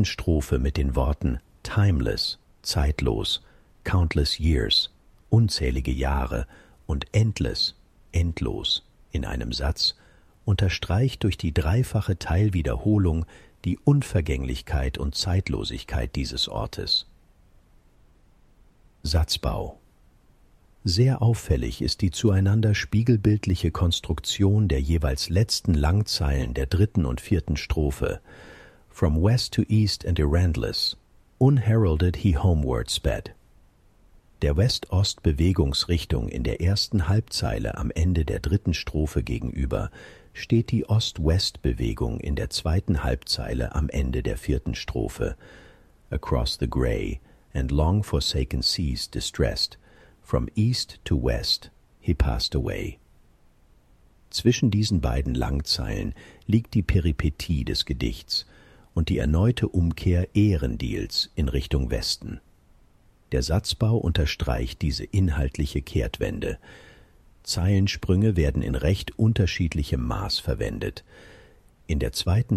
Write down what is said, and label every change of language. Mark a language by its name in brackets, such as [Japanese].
[German] Strophe mit den Worten timeless, zeitlos, countless years, unzählige Jahre und endless, endlos in einem Satz unterstreicht durch die dreifache Teilwiederholung die Unvergänglichkeit und Zeitlosigkeit dieses Ortes. Satzbau. Sehr auffällig ist die zueinander spiegelbildliche Konstruktion der jeweils letzten Langzeilen der 3. und 4. Strophe. [English] From west to east and errandless, unheralded he homeward sped. [German] Der West-Ost-Bewegungsrichtung in der 1. Halbzeile am Ende der 3. Strophe gegenüber steht die Ost-West-Bewegung in der 2. Halbzeile am Ende der 4. Strophe. [English] Across the grey and long-forsaken seas distressed, from east to west, he passed away. [German] Zwischen diesen beiden Langzeilen liegt die Peripetie des Gedichts und die erneute Umkehr Erendils in Richtung Westen. Der Satzbau unterstreicht diese inhaltliche Kehrtwende. Zeilensprünge werden in recht unterschiedlichem Maß verwendet. In der 2.